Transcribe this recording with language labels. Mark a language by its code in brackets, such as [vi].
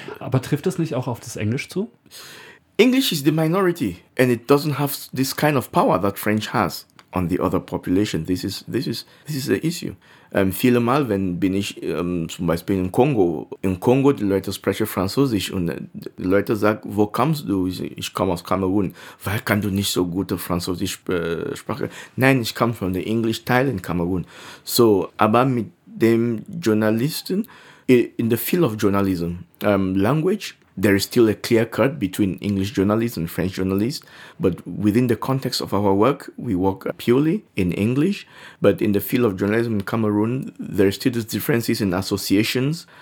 [de] Aber trifft das nicht auch auf das Englisch zu? [en] English is the minority, and it doesn't have this kind of power that French has on the other population. This is the issue. [de] Viele Mal, wenn bin ich zum Beispiel in Kongo, die Leute sprechen Französisch, und die Leute sagen, wo kommst du? Ich komme aus Kamerun. Weil kann du nicht so gute Französisch sprechen? Nein, ich komme von der English Teil in Kamerun. [en] So, [de] aber mit dem Journalisten, [en] in the field of journalism, language, there is still a clear cut between English journalists and French journalists, but within the context of our work, we work purely in English. But in the field of journalism in Cameroon, there are still differences in associations.